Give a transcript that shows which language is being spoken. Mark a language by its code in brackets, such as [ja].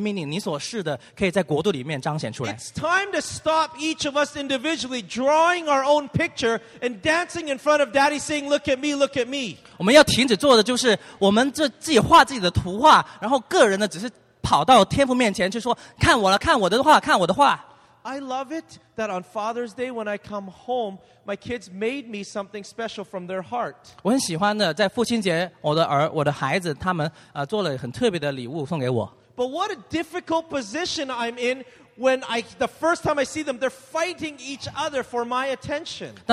[zh] 以致你可以完全的绽放开花，让你可以进到神所给你完全的命令，你所示的可以在国度里面彰显出来。 [en] It's time to stop each of us individually drawing our own picture and dancing in front of Daddy saying, look at me, look at me. [zh] 我们要停止做的就是我们自己画自己的图画，然后个人的只是跑到天父面前去说，看我了，看我的画，看我的画。 [en] I love it that on Father's Day when I come home, my kids made me something special from their heart. [zh] 我很喜欢的，在父亲节，我的孩子他们做了很特别的礼物送给我。 [en] But what a difficult position I'm in when the first time I see them, they're fighting each other for my attention.